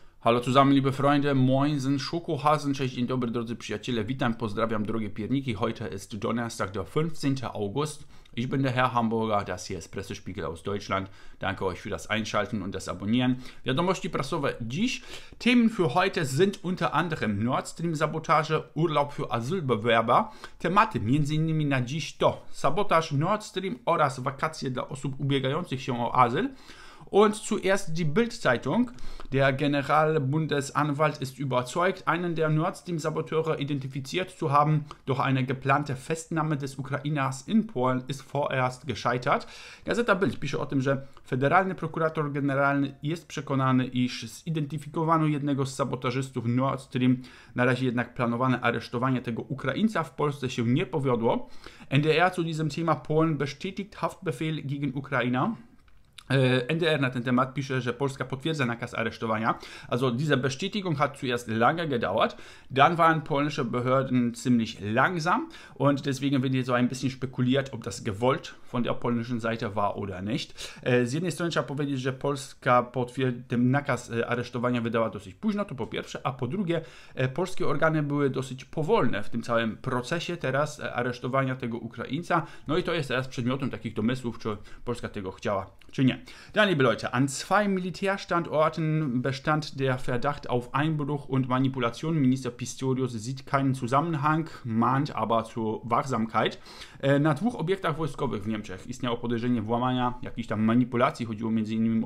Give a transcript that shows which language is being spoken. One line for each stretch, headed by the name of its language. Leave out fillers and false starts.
German: Halo zusammen, liebe Freunde, moinsen, Schokohasen,
Polish: cześć, dzień dobry, drodzy przyjaciele, witam, pozdrawiam, drogie pierniki.
German: Heute ist Donnerstag, der 15. August. Ich bin der Herr Hamburger, das hier ist Pressespiegel aus Deutschland. Danke euch für das Einschalten und das Abonnieren.
Polish: Wiadomości prasowe dziś.
German: Themen für heute sind unter anderem Nord Stream Sabotage, Urlaub für Asylbewerber.
Polish: Tematy między innymi na dziś to Sabotage Nord Stream oraz Wakacje dla osób ubiegających się o azyl.
German: Und zuerst die Bild-Zeitung. Der Generalbundesanwalt ist überzeugt, einen der Nord Stream-Saboteure identifiziert zu haben. Doch eine geplante Festnahme des Ukrainers in Polen ist vorerst gescheitert.
Polish: Gazeta Bild pisze o tym, że federalny prokurator generalny jest przekonany, iż zidentyfikowano jednego z sabotażystów Nord Stream. Na razie jednak planowane aresztowanie tego Ukraińca w Polsce się nie powiodło.
German: NDR zu diesem Thema: Polen bestätigt Haftbefehl gegen Ukrainer.
Polish: NDR na ten temat pisze, że Polska potwierdza nakaz aresztowania.
German: Also diese Bestätigung hat zuerst lange gedauert. Dann waren polnische Behörden ziemlich langsam und deswegen wird hier so ein bisschen spekuliert, ob das gewollt von der polnischen Seite war oder nicht.
Polish: Z jednej strony trzeba powiedzieć, że Polska ten nakaz aresztowania wydała dosyć późno, to po pierwsze, a po drugie, polskie organy były dosyć powolne w tym całym procesie teraz aresztowania tego Ukraińca. No i to jest teraz przedmiotem takich domysłów, czy Polska tego chciała, czy nie.
German: Dann, liebe Leute, an zwei Militärstandorten bestand der Verdacht auf Einbruch und Manipulation. Minister Pistorius sieht keinen Zusammenhang, mahnt aber zur Wachsamkeit.
Polish: Na dwóch obiektach wojskowych w Niemczech istniało podejrzenie włamania, jakichś tam manipulacji, chodziło m.in.